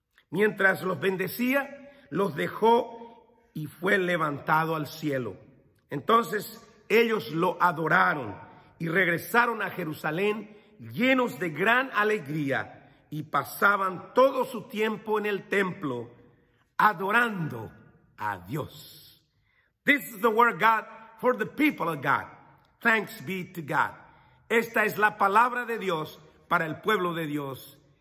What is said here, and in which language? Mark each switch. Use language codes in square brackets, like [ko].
[es] Mientras los bendecía, los dejó y fue levantado al cielo. Entonces ellos lo adoraron y regresaron a Jerusalén llenos de gran alegría, y pasaban todo su tiempo en el templo adorando a Dios. [en] This is the word of God for the people of God. Thanks be to God. [es] Esta es la palabra de Dios para el pueblo de Dios.